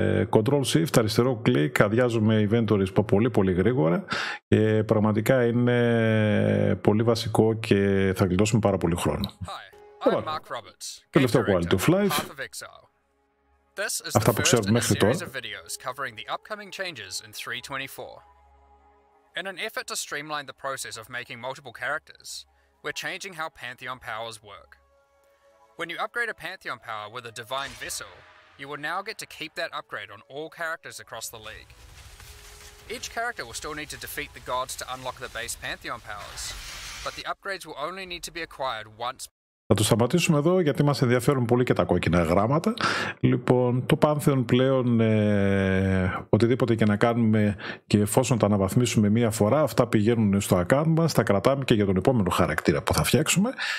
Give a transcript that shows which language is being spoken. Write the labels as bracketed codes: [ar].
[el] Control shift, αριστερό κλικ, αδειάζουμε inventories πολύ γρήγορα και πραγματικά είναι πολύ βασικό και θα γλιτώσουμε πάρα πολύ χρόνο. [en] I'm Mark Roberts, Game Director, Path of Exile. This is the first in a series of videos covering the upcoming changes in 3.24. In an effort to streamline the process of making multiple characters, we're changing how Pantheon powers work. When you upgrade a Pantheon power with a Divine Vessel, you will now get to keep that upgrade on all characters across the league. Each character will still need to defeat the gods to unlock the base Pantheon powers, but the upgrades will only need to be acquired once. [el] Θα το σταματήσουμε εδώ γιατί μας ενδιαφέρουν πολύ και τα κόκκινα γράμματα. Λοιπόν, το Pantheon πλέον, οτιδήποτε και να κάνουμε και εφόσον τα αναβαθμίσουμε μία φορά, αυτά πηγαίνουν στο account μας, τα κρατάμε και για τον επόμενο χαρακτήρα που θα φτιάξουμε.